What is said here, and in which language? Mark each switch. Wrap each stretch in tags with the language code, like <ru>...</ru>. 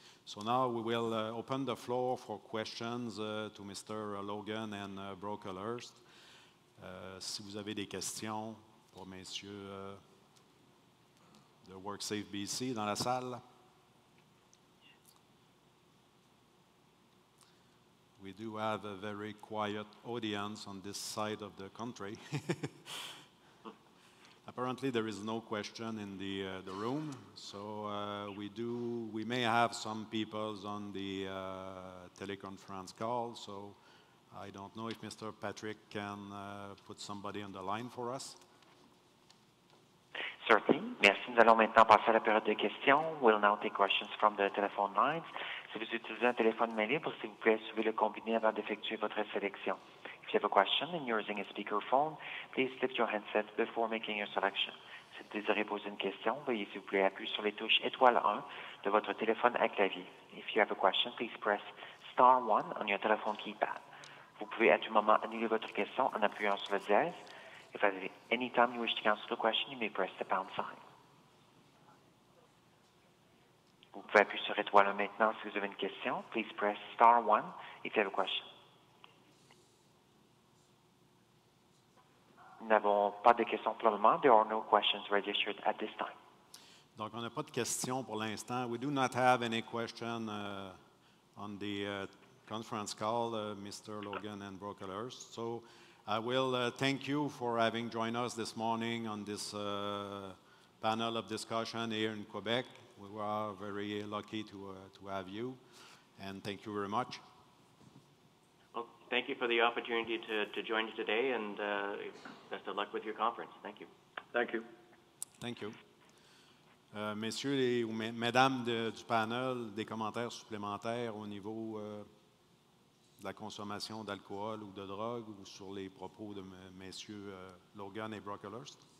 <en>So now we will open the floor for questions to Mr.</en> <fr>Logan and Brokelhurst. Si vous avez des questions pour messieurs de WorkSafe BC dans la salle.</fr> <en>We do have a very quiet audience on this side of the country. Apparently, there is no question in the room, so we may have some people on the teleconference call, so I don't know if Mr. Patrick can put somebody on the line for us. Certainly.</en> <fr>Merci. Nous allons maintenant passer à la période de questions.</fr> <en>We'll now take questions from the telephone lines.</en> <fr>Si vous utilisez un téléphone main libre, s'il vous plaît, suivez le combiné avant d'effectuer votre sélection.</fr> <en>If you have a question and you're using a speakerphone, please lift your handset before making your selection.</en> <fr>Si vous désirez poser une question, veuillez s'il vous plaît appuyer sur les touches étoile 1 de votre téléphone à clavier.</fr> <en>If you have a question, please press star 1 on your telephone keypad.</en> <fr>Vous pouvez à tout moment annuler votre question en appuyant sur le 10.</fr> <en>If at any time you wish to cancel the question, you may press the pound sign.</en> <fr>Vous pouvez appuyer sur étoile 1 maintenant si vous avez une question.</fr> <en>Please press star 1 if you have a question.</en> <fr>Nous n'avons pas de questions pour le moment.</fr> <en>There are no questions registered at this time.</en> <fr>Donc, on n'a pas de questions pour l'instant.</fr> <en>We do not have any question on the conference call, Mr. Logan and Brokelhurst. So, I will thank you for having joined us this morning on this panel of discussion here in Quebec. We are very lucky to have you. And thank you very much. Thank you for the opportunity to join you today, and best of luck with your conference. Thank you. Thank you. Thank you.</en> <fr>Messieurs et mesdames du panel, des commentaires supplémentaires au niveau de la consommation d'alcool ou de drogue ou sur les propos de messieurs Logan et Brokelhurst?</fr>